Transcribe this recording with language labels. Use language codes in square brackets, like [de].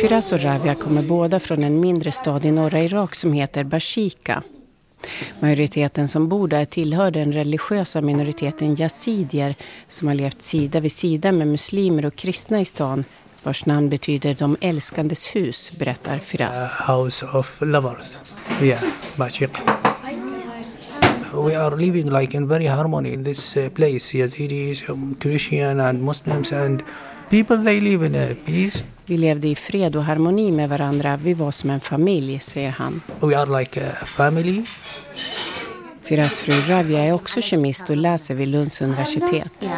[sv] Firas och Ravia kommer båda från en mindre stad i norra Irak som heter Bashika. Majoriteten som bor där tillhör den religiösa minoriteten yazidier som har levt sida vid sida med muslimer och kristna i stan, vars namn betyder de älskandes hus, berättar Firas. [en] House of lovers. Yeah, Bashika. We are living like in very harmony in this place. Yazidis, Christian and Muslims and people, they live in a peace. [sv] Vi levde i fred och harmoni med varandra. Vi var som en familj, säger han. [en] We are like a family. [sv] Firas fru Ravia är också kemist och läser vid Lunds universitet.